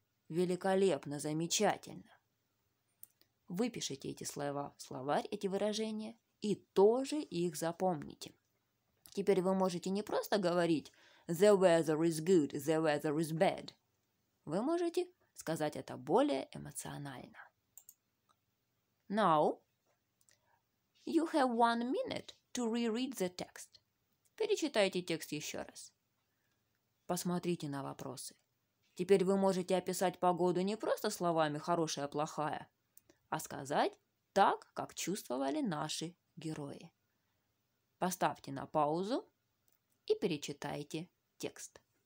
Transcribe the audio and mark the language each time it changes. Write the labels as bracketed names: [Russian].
[Russian] Великолепно, замечательно. Выпишите эти слова в словарь, эти выражения, и тоже их запомните. Теперь вы можете не просто говорить [English] «The weather is good», «The weather is bad». [Russian] Вы можете сказать это более эмоционально. [English] Now, you have 1 minute to reread the text. [Russian] Перечитайте текст еще раз. Посмотрите на вопросы. Теперь вы можете описать погоду не просто словами «хорошая», «плохая», а сказать так, как чувствовали наши герои. Поставьте на паузу и перечитайте текст.